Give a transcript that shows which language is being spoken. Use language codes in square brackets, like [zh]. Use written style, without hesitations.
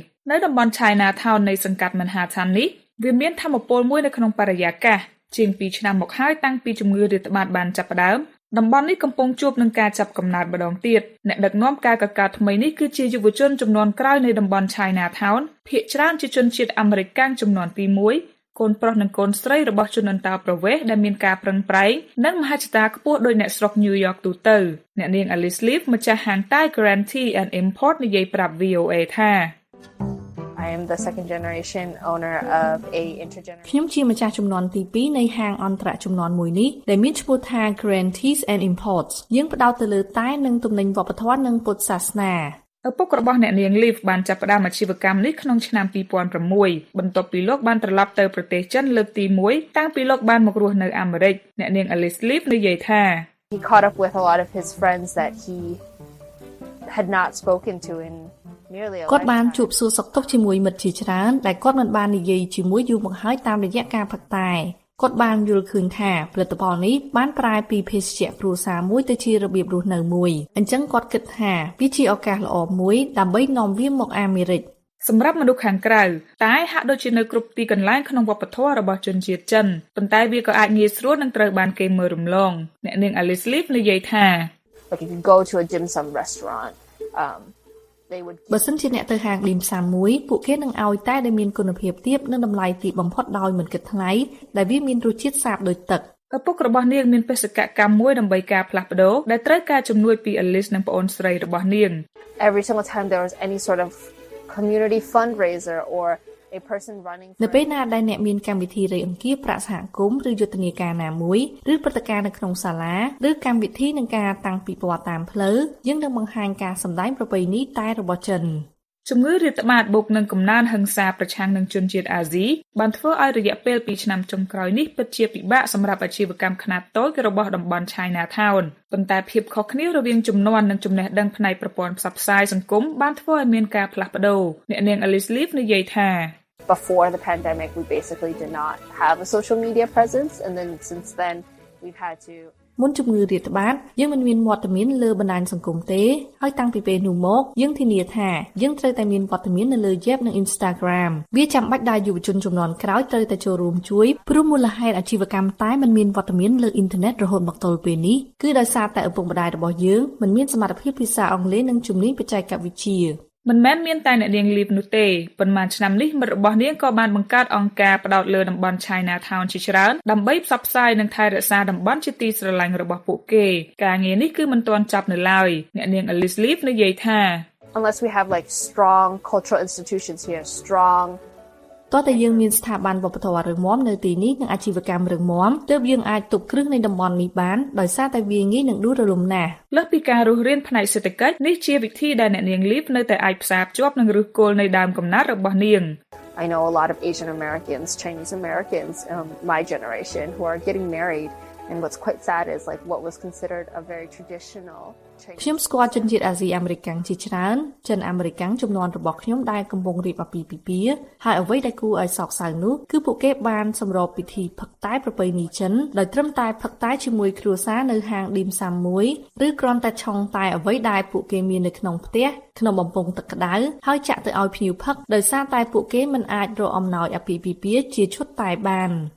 [km] នៅតំបន់ Chinatown នៃសង្កាត់ Manhattan នេះវាមានធម្មពលមួយនៅក្នុងបរិយាកាសជាង2ឆ្នាំមកហើយតាំងពីជំងឺរាតត្បាតបានចាប់ផ្ដើមតំបន់នេះកំពុងជួបនឹងការចាប់កំណើតម្ដងទៀតអ្នកដឹកនាំការកកើតថ្មីនេះគឺជាយុវជនចំនួនក្រោយនៃតំបន់ Chinatown ភាគច្រើនជាជនជាតិអាមេរិកចំនួនទី1កូនប្រុសនិងកូនស្រីរបស់ជនអន្តោប្រវេសន៍ដែលមានការប្រឹងប្រែងនិងមហិច្ឆតាខ្ពស់ដោយអ្នកស្រុកញូវយ៉កទូទៅអ្នកនាង Alice Leaf ម្ចាស់ហាង Thai Guarantee and Import និយាយប្រាប់ VOA ថា [en] I am the second generation owner of a intergenerational [km] ខ្ញុំជាម្ចាស់ជំនាន់ទី2នៃហាងអន្តរជំនាន់មួយនេះដែលមានឈ្មោះថា Grand Teas and Imports យើងផ្ដោតទៅលើតែនិងទំនិញវប្បធម៌និងពុទ្ធសាសនា ឪពុករបស់អ្នកនាង Leaf បានចាប់ផ្ដើមអាជីវកម្មនេះក្នុងឆ្នាំ2006បន្ទាប់ពីលោកបានត្រឡប់ទៅប្រទេសចិនលើកទី1តាំងពីលោកបានមករស់នៅអាមេរិកអ្នកនាង Alice Leaf និយាយថា [en] He caught up with a lot of his friends that he had not spoken to in [km] គាត់បានជួបសួរសុខទុក្ខជាមួយមិត្តជាច្រើនដែលគាត់មិនបាននិយាយជាមួយយូរមកហើយតាមរយៈការផឹកតែគាត់បានយល់ឃើញថាផលិតផលនេះបានប្រែពីភេសជ្ជៈគ្រួសារមួយទៅជារបៀបរស់នៅមួយអញ្ចឹងគាត់គិតថាវាជាឱកាសល្អមួយដើម្បីនាំវាមកអាមេរិក សម្រាប់មនុស្សខាងក្រៅតែហាក់ដូចជានៅគ្រប់ទីកន្លែងក្នុងវប្បធម៌របស់ជនជាតិចិនប៉ុន្តែវាក៏អាចងាយស្រួលនឹងត្រូវបានគេមើលរំលងអ្នកនាង Alice Leaf និយាយថា [en] Okay, you can go to a dim sum restaurant [km] បើសិនជាអ្នកទៅហាងឌីមសាំមួយពួកគេនឹងឲ្យតែដែលមានគុណភាពទាបនិងតម្លៃទាបបំផុតដោយមិនគិតថ្លៃដែលវាមានរសជាតិសាបដូចទឹក ឪពុករបស់នាងមានបេសកកម្មមួយដើម្បីការផ្លាស់ប្ដូរដែលត្រូវការជំនួយពីអលីសនិងប្អូនស្រីរបស់នាង [en] Every single time there was any sort of community fundraiser orA person running [km] នៅពេលណាដែលអ្នកមានកម្មវិធីរៃអង្គាប្រាក់សហគមន៍ឬយុទ្ធនាការណាមួយឬព្រឹត្តិការណ៍នៅក្នុងសាលាឬកម្មវិធីនៃការតាំងពិព័រណ៍តាមផ្លូវយើងនឹងបង្ហាញការសម្ដែងប្រពៃណីតែរបស់ចិន ជំងឺរាតត្បាតបុកនឹងកំណើនហិង្សាប្រឆាំងនឹងជនជាតិអាស៊ីបានធ្វើឲ្យរយៈពេល2ឆ្នាំចុងក្រោយនេះពិតជាពិបាកសម្រាប់អាជីវកម្មខ្នាតតូចរបស់តំបន់ Chinatown ប៉ុន្តែភាពខុសគ្នារវាងជំនាន់និងចំណេះដឹងផ្នែកប្រព័ន្ធផ្សព្វផ្សាយសង្គមបានធ្វើឲ្យមានការផ្លាស់ប្ដូរអ្នកនាង Alice Leaf និយាយថា [en] Before the pandemic we basically did not have a social media presence and then since then we've had to [km] មុនជំងឺរាតត្បាតយើងមិនមានវត្តមានលើបណ្ដាញសង្គមទេហើយតាំងពីពេលនោះមកយើងធានាថាយើងត្រូវតែមានវត្តមាននៅលើ YouTube និង Instagram វាចាំបាច់ដែរយុវជនចំនួនក្រោយត្រូវតែចូលរួមជួយព្រោះមូលហេតុអាជីវកម្មតែមិនមានវត្តមានលើអ៊ីនធឺណិតរហូតមកទល់ពេលនេះគឺដោយសារតែឪពុកម្ដាយរបស់យើងមិនមានសមត្ថភាពភាសាអង់គ្លេសនិងជំនាញបច្ចេកវិទ្យា មិនមែនមានតែអ្នកនាងលីបនោះទេប៉ុន្មានឆ្នាំនេះមិត្តរបស់នាងក៏បានបង្កើតអង្គការផ្តោតលើតំបន់ Chinatown ជាច្រើនដើម្បីផ្សព្វផ្សាយនិងថែរក្សាតំបន់ជាទីស្រឡាញ់របស់ពួកគេការងារនេះគឺមិនទាន់ចប់នៅឡើយអ្នកនាង Alice Leaf និយាយថា [en] Unless we have like strong cultural institutions here strong [km] ទោះតែយើងមានស្ថាប័នវប្បធម៌រឹងមាំនៅទីនេះនិងអាជីវកម្មរឹងមាំទើបយើងអាចទប់គ្រឹះនៃតំបន់នេះបានដោយសារតែវាងាយនឹងដួលរលំណាស់លើសពីការរស់រានផ្នែកសេដ្ឋកិច្ចនេះជាវិធីដែលអ្នកនាងលីបនៅតែអាចផ្សារភ្ជាប់នឹងឫសគល់នៃដើមកំណើតរបស់នាង [en] I know a lot of Asian Americans, Chinese Americans, my generation who are getting married and what's quite sad is like what was considered a very traditional [km] ខ្ញុំស្គាល់ជនជាតិអាស៊ីអាមេរិកជាច្រើនជនអាមេរិកចំនួនរបស់ខ្ញុំដែលកំពុងរៀបអាពាហ៍ពិពាហ៍ហើយអ្វីដែលគួរឲ្យសោកសៅនោះគឺពួកគេបានសម្របពិធីផឹកតែប្រពៃណីចិនដោយត្រឹមតែផឹកតែជាមួយគ្រួសារនៅហាងឌីមសាំមួយឬគ្រាន់តែឆុងតែអ្វីដែលពួកគេមាននៅក្នុងផ្ទះក្នុងបំពង់ទឹកក្តៅហើយចាក់ទៅឲ្យភ្ញៀវផឹកដោយសារតែពួកគេមិនអាចរកអំណោយអាពាហ៍ពិពាហ៍ជាឈុតតែបាន